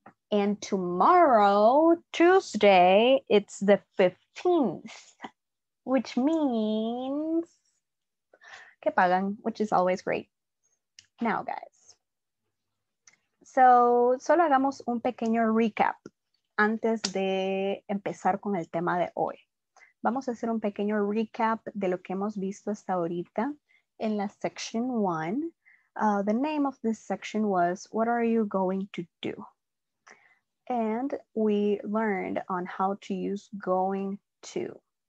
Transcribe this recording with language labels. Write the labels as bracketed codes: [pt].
[en] And tomorrow, Tuesday, it's the 15th, which means [es] que pagan, [en] which is always great. Now, guys, so [es] solo hagamos un pequeño recap antes de empezar con el tema de hoy. Vamos a hacer un pequeño recap de lo que hemos visto hasta ahorita en la section one. [en] The name of this section was, what are you going to do? And we learned on how to use going to.